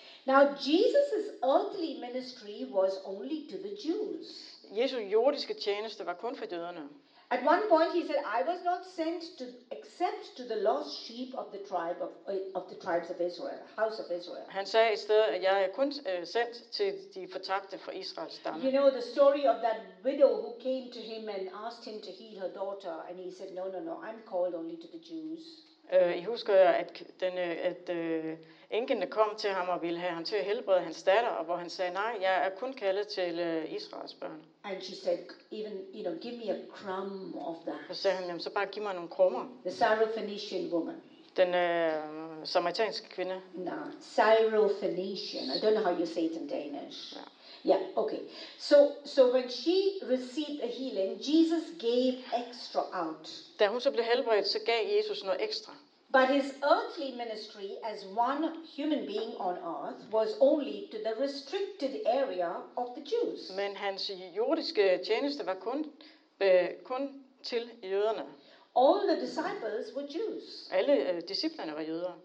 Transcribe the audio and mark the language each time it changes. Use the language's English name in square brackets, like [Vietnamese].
[English] Now Jesus's earthly ministry was only to the Jews. [Danish] Jesu jordiske tjeneste var kun for jøderne. [English] At one point he said, I was not sent to except to the lost sheep of the tribe of the tribes of Israel, house of Israel. [Danish] Han sagde i stedet, at jeg er kun sendt til de fortabte fra Israels stamme. [English] You know the story of that widow who came to him and asked him to heal her daughter, and he said, no, I'm called only to the Jews. [Danish] I husker jeg, at enken der kom til ham og ville have ham til at helbrede hans datter, og hvor han sagde, nej, jeg er kun kaldet til Israels børn. [English] And she said, even you know, give me a crumb of that. [Danish] Og sagde han, jamen, så bare giv mig nogle krummer. [English] The Syrophoenician woman. [Danish] Den samaritanske kvinde. [English] No, Syrophoenician. I don't know how you say it in Danish. Yeah, okay. So when she received a healing, Jesus gave extra out. [Danish] Da hun så blev helbredt, så gav Jesus noget ekstra. [English] But his earthly ministry as one human being on earth was only to the restricted area of the Jews. [Danish] Men hans jordiske tjeneste var kun til jøderne. [English] All the disciples were Jews. [Danish] Alle disciplerne var jøder.